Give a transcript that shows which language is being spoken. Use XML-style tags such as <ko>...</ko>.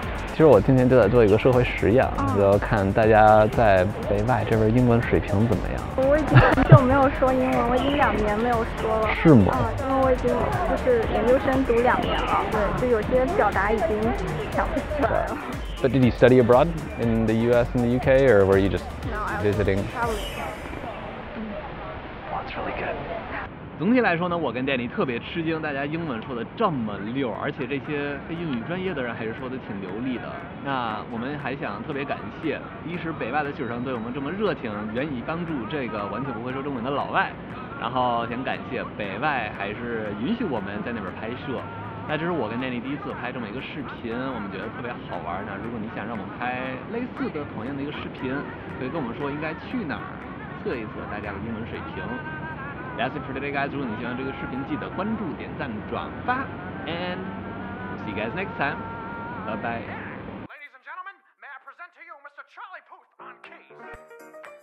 <zh>其实我今天就在做一个社会实验，就要看大家在北外这边英文水平怎么样。我已经很久没有说英文，我已经两年没有说了。是吗？因为我已经就是研究生读两年了，对，就有些表达已经想不起来了。</zh> <en>But did you study abroad in the U.S. and the U.K. or were you just visiting? No, I traveled. That's really good.</en> <zh>总体来说呢，我跟 Danny 特别吃惊，大家英文说的这么溜，而且这些非英语专业的人还是说的挺流利的。那我们还想特别感谢，一是北外的学生对我们这么热情，愿意帮助这个完全不会说中文的老外，然后想感谢北外还是允许我们在那边拍摄。那这是我跟 Danny 第一次拍这么一个视频，我们觉得特别好玩。那如果你想让我们拍类似的同样的一个视频，可以跟我们说应该去哪儿测一测大家的英文水平。</zh> <en>That's it for today, guys.</en> <zh>如果你喜欢这个视频，记得关注、点赞、转发。</zh> <en>And see you guys next time. Bye bye. Ladies and gentlemen, may I present to you Mr. Charlie Puth on keys.</en>